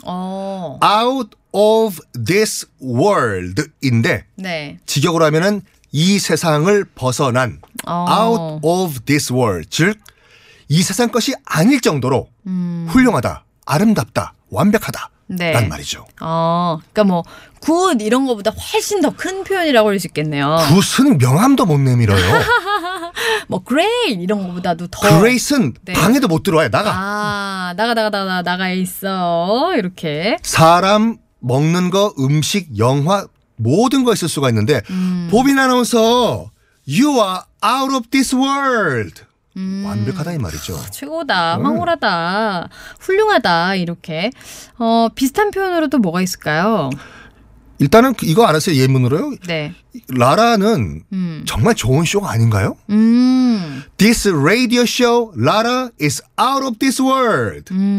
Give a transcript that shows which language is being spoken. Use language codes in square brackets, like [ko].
[en] Out of this world [ko] 인데, 네. 직역으로 하면은 이 세상을 벗어난. [en] Out of this world. [ko] 즉, 이 세상 것이 아닐 정도로 훌륭하다, 아름답다, 완벽하다. 네. 란 말이죠. 그러니까 뭐 굿 이런 것보다 훨씬 더 큰 표현이라고 할 수 있겠네요. 굿은 명함도 못 내밀어요. 뭐 그레이트 이런 것보다도 더. 그레이트는 네. 방에도 못 들어와요. 나가. 나가 있어. 이렇게. 사람 먹는 거, 음식, 영화 모든 거 있을 수가 있는데 보빈 아나운서, [en] you are out of this world. [ko] 완벽하다 이 말이죠. 최고다. 황홀하다. 훌륭하다. 이렇게 비슷한 표현으로도 뭐가 있을까요? 일단은 이거 알았어요. 예문으로요. 네. 라라는 정말 좋은 쇼가 아닌가요? [en] This radio show, Lara, is out of this world.